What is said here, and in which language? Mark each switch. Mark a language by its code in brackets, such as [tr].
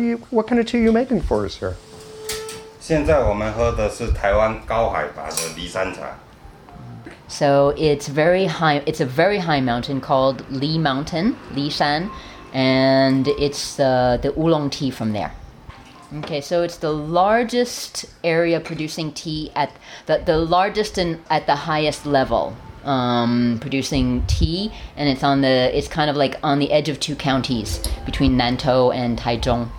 [en] What kind of tea are you making for us here? [zh] 现在我们喝的是台湾高海拔的梨山茶. [en] So it's very high. It's a very high mountain called Li Mountain, Li Shan, and it's the oolong tea from there. Okay, so it's the largest area producing tea at the largest and at the highest level producing tea, and it's kind of like on the edge of two counties between Nantou and Taichung.